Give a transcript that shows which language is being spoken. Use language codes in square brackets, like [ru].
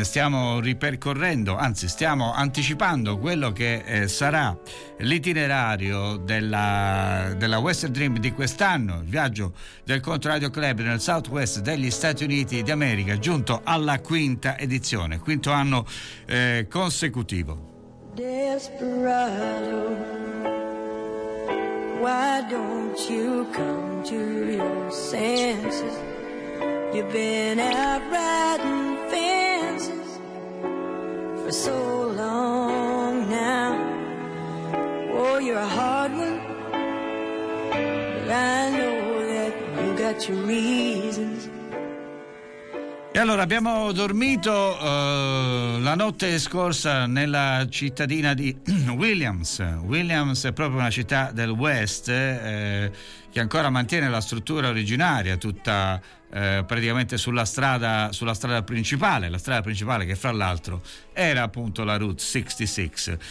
[it] Stiamo ripercorrendo, anzi stiamo anticipando quello che sarà l'itinerario della Western Dream di quest'anno, il viaggio del Controradio Club nel Southwest degli Stati Uniti d'America, giunto alla quinta edizione, quinto anno consecutivo. [en] Desperado, why don't you come to your senses? You've been out riding fences for so long now. Oh, you're a hard one, but I know that you got your reasons. [it] E allora abbiamo dormito la notte scorsa nella cittadina di Williams. Williams è proprio una città del West che ancora mantiene la struttura originaria, tutta praticamente sulla strada principale, la strada principale che fra l'altro era appunto la Route 66.